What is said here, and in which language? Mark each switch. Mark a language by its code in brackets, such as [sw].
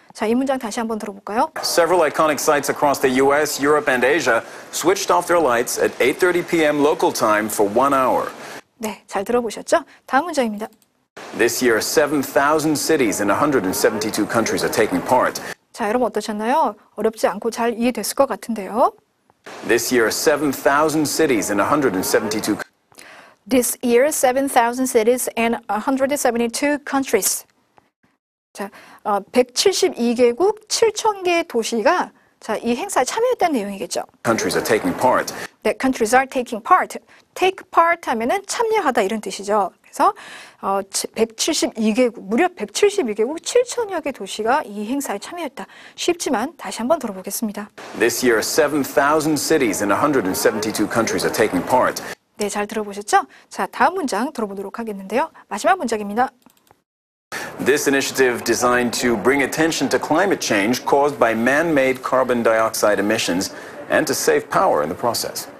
[ko] 자, 이 문장 다시 한번 들어볼까요? [en] Several iconic sites across the US, Europe and Asia switched off their lights at 8:30 p.m. local time for 1 hour. [ko] 네, 잘 들어보셨죠? 다음 문장입니다. [en] This year 7,000 cities in 172 countries are taking part. [ko] 자, 여러분 어떠셨나요? 어렵지 않고 잘 이해됐을 것 같은데요. [en] This year 7,000 cities in 172 This year 7,000 cities and 172 countries. [ko] 자, 172개국 7,000개 도시가 자, 이 행사에 참여했다는 내용이겠죠. [en] Countries are taking part. That countries are taking part. Take part [ko] 하면은 참여하다 이런 뜻이죠. 그래서 172개국, 무려 172개국 7천여 개 도시가 이 행사에 참여했다. 쉽지만 다시 한번 들어보겠습니다. [en] This year 7,000 cities in 172 countries are taking part. [ko] 네, 잘 들어보셨죠? 자, 다음 문장 들어보도록 하겠는데요. 마지막 문장입니다. [en] This initiative designed to bring attention to climate change caused by man-made carbon dioxide emissions and to save power in the process.